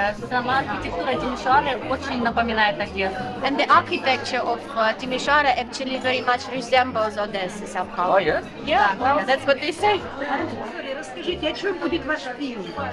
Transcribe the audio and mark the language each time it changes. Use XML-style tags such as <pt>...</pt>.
<ru>Сама архитектура Тимишоары очень напоминает Одессу.</ru> <en>And the architecture of Timișoara actually very much resembles Odessa somehow. Oh, yes? Yeah, well, that's what they say.</en> <ru>Расскажите, о чем будет ваш фильм?</ru>